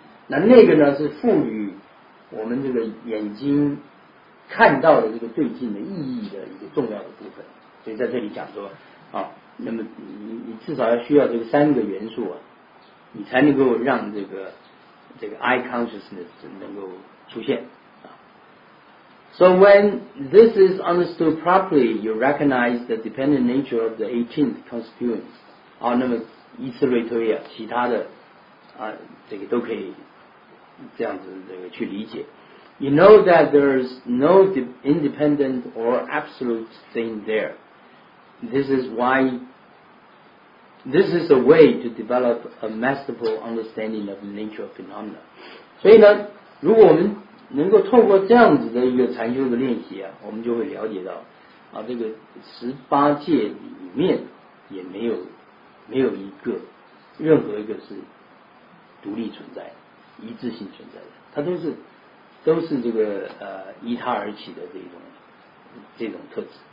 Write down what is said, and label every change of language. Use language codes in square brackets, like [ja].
[zh] 那那个呢是赋予我们这个眼睛看到的这个对镜的意义的一个重要的部分，所以在这里讲说啊，那么你至少要需要这个三个元素啊，你才能够让这个 eye consciousness 能够出现啊。 [en] So when this is understood properly, you recognize the dependent nature of the 18th constituents. [zh] 啊，那么依次类推啊，其他的啊，这个都可以这样子这个去理解。 [en] You know that there's no independent or absolute thing there. This is a way to develop a masterful understanding of the nature of phenomena. [zh] 所以呢，如果我们能够透过这样子的一个禅修的练习啊，我们就会了解到啊，这个十八界里面也没有一个任何一个是独立存在的、一致性存在的，它都是这个依他而起的这种特质。